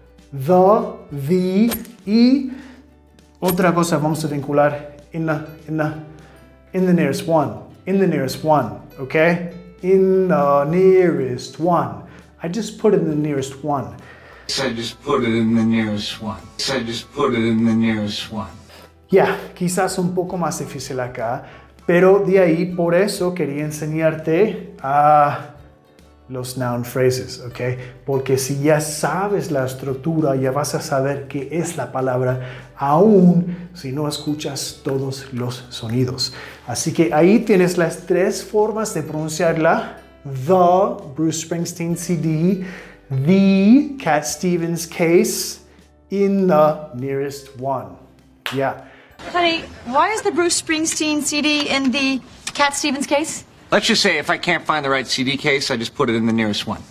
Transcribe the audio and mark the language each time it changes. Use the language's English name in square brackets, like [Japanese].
[English] the, [Spanish] y otra cosa vamos a vincular [English] in the nearest one, in the nearest one, okay? In the nearest one. I just put it in the nearest one. I just put it in the nearest one. I just put it in the nearest one. [Spanish] Yeah, quizás un poco más difícil acá, pero de ahí por eso quería enseñarte a los noun phrases, ¿ok? Porque si ya sabes la estructura, ya vas a saber qué es la palabra, aún si no escuchas todos los sonidos. Así que ahí tienes las tres formas de pronunciarla. [English] The Bruce Springsteen CD, the Cat Stevens case, in the nearest one. Yeah. Honey, why is the Bruce Springsteen CD in the Cat Stevens case? Let's just say if I can't find the right CD case, I just put it in the nearest one.